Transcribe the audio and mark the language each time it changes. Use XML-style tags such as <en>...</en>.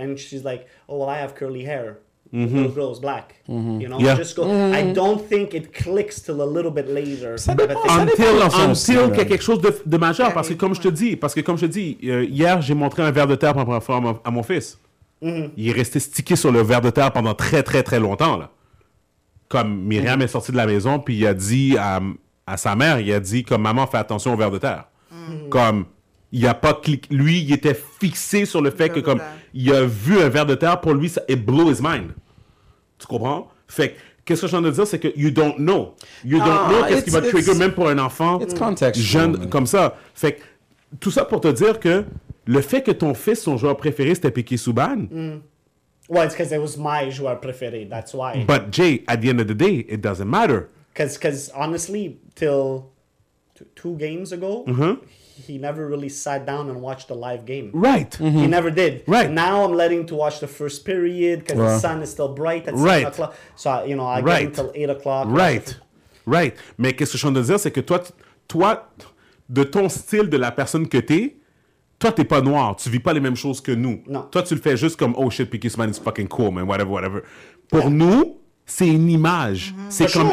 <en>And she's like, oh, well, I have curly hair. Mm-hmm. Little girl's black. Mm-hmm. You know, yeah. Just go, I don't think it clicks till a little bit later. Until</en> <fr>qu'il y a quelque chose de majeur. Yeah, parce que comme je te dis, hier, j'ai montré un verre de terre pour la première fois à mon fils. Mm-hmm. Il est resté stické sur le verre de terre pendant très, très, très longtemps. Là. Comme Myriam est sortie de la maison, puis il a dit à sa mère, il a dit, comme maman, fais attention au verre de terre. Mm-hmm. Comme... Il a pas cliqué. Lui, il était fixé sur le fait que, comme, il a vu un verre de terre, pour lui, ça,</fr> <en>it blew his mind.</en> <fr>Tu comprends? Fait que, qu'est-ce que j'ai envie de dire? C'est que,</fr> <en>you don't know. You don't know</en> <fr>qu'est-ce qui va trigger, même pour un enfant jeune, comme ça. Fait que, tout ça pour te dire que le fait que ton fils, son joueur préféré, c'était Piqué Subban.</fr> <en>Well, it's because it was my</en> <fr>joueur préféré.</fr> <en>That's why. But, Jay, at the end of the day, it doesn't matter. Because, honestly, till two games ago, he never really sat down and watched a live game. Right. Mm-hmm. He never did. Right. Now I'm letting to watch the first period because the sun is still bright at 7 o'clock. So, you know, I get until 8 o'clock. Right. Right.</en> <fr>Mais qu'est-ce que je suis en train de dire, c'est que toi, de ton style, de la personne que t'es, toi, t'es pas noir. Tu vis pas les mêmes choses que nous. Non. Toi, tu le fais juste comme,</fr> <en>oh shit, Piqué Subban is fucking cool, man, whatever, whatever.</en> <fr>Pour nous... C'est une image. Mm-hmm. C'est comme,</fr>